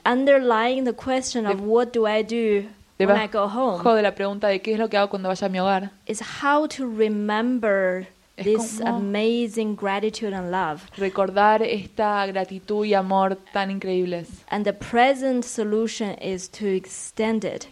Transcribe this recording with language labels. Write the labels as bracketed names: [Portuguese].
[English] Underlying the question of what do I do when I go home. [Spanish] Debajo de la pregunta de qué es lo que hago cuando vaya a mi hogar. [English] Is how to remember this amazing gratitude and love. [Spanish] Recordar esta gratitud y amor tan increíbles. [English] And the present solution is to extend it.